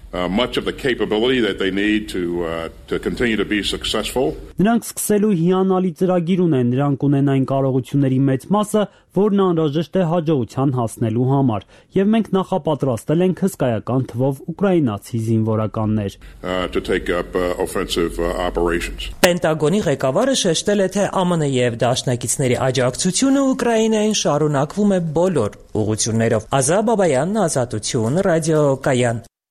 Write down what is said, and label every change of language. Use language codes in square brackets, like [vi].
[en] Much of the capability that they need to continue to be successful. [hy] Նրանք սկսելու հիանալի ծրագիր ունեն, նրանք ունեն այն կարողությունների մեծ մասը, որն անհրաժեշտ է հաջողության հասնելու համար, եւ մենք նախապատրաստել ենք հսկայական թվով ուկրաինացի զինվորականներ. [en] To take up offensive operations. [hy] Պենտագոնի ղեկավարը շեշտել է, թե ԱՄՆ եւ դաշնակիցների աջակցությունը Ուկրաինային շարունակվում է բոլոր ուղություններով։ Ազա Բաբայանն, Ազատություն, Ռադիո Կայան։